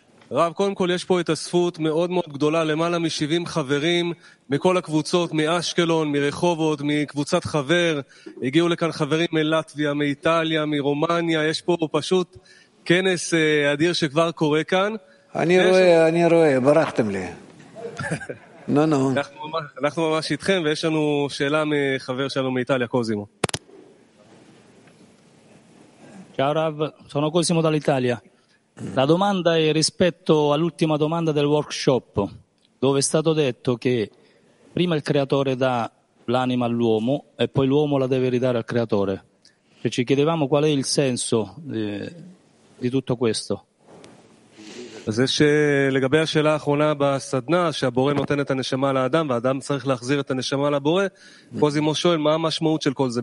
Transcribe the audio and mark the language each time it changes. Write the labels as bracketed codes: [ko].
[he] רב, קודם כל, יש פה את הספות מאוד מאוד גדולה, למעלה מ-70 חברים מכל הקבוצות, מאשקלון, מרחובות, מקבוצת חבר. הגיעו לכאן חברים מלטביה, מאיטליה, מרומניה. יש פה פשוט כנס אדיר שכבר קורה כאן. אני רואה, ברכתם לי. נו. אנחנו ממש איתכם, ויש לנו שאלה מחבר שלנו מאיטליה, קוזימו. [it] Ciao Rav, sono Cosimo dall'Italia. La domanda è rispetto all'ultima domanda del workshop, dove è stato detto che prima il creatore dà l'anima all'uomo e poi l'uomo la deve ridare al creatore. E ci chiedevamo qual è il senso di tutto questo. [he] אז יש לגבי השאלה האחרונה בסדנה, שהבורא נותן את הנשמה לאדם, והאדם צריך להחזיר את הנשמה לבורא. קוזימו שואל, מה המשמעות של כל זה?